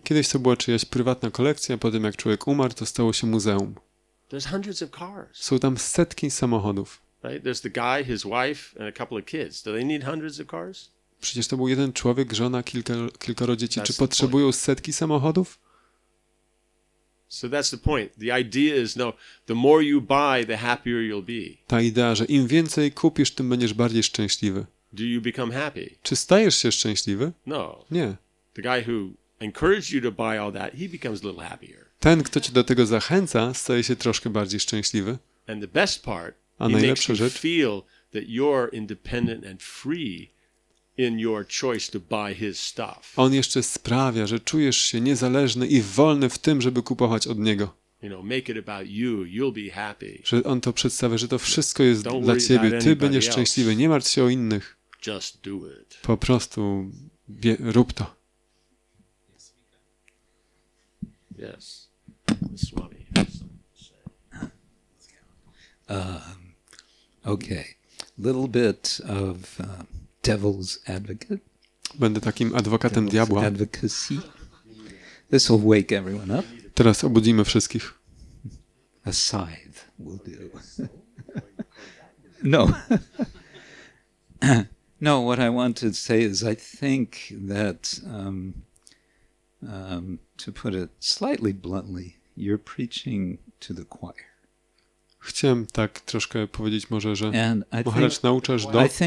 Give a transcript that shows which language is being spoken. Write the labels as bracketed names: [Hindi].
[Polish] Kiedyś to była czyjaś prywatna kolekcja, potem jak człowiek umarł, to stało się muzeum. [English] There's hundreds of cars. [Polish] Są tam setki samochodów. [English] Right? There's the guy, his wife, and a couple of kids. Do they need hundreds of cars? [Polish] Przecież to był jeden człowiek, żona, kilkoro dzieci. Czy potrzebują setki samochodów? [English] So that's the point. The idea is no, the more you buy, the happier you'll be. [Polish] Ta idea, że im więcej kupisz, tym będziesz bardziej szczęśliwy. [English] Do you become happy? [Polish] Czy stajesz się szczęśliwy? [English] No. [Polish] Nie. [English] The guy who encouraged you to buy all that, he becomes a little happier. [Polish] Ten, kto cię do tego zachęca, staje się troszkę bardziej szczęśliwy. [English] And the best part, [Polish] a [English] he makes [Polish] rzecz? [English] You feel that you're independent and free in your choice to buy his stuff. [Polish] On jeszcze sprawia, że czujesz się niezależny i wolny w tym, żeby kupować od niego. [English] You know, make it about you, you'll be happy. [Polish] Że on to przedstawia, że to wszystko jest dla ciebie, ty będziesz szczęśliwy, nie martw się o innych. [English] Just do it. [Polish] Po prostu rób to. [English] Yes. Yes. Swami. Okay. little bit of devil's advocate. [Polish] Będę takim adwokatem diabła. [English] Advocacy. This will wake everyone up. [Polish] Teraz obudzimy wszystkich. [English] A scythe will do. No. No, what I want to say is I think that to put it slightly bluntly, you're preaching to the choir. [Polish] Chciałem tak troszkę powiedzieć może, że Maharaj nauczasz do...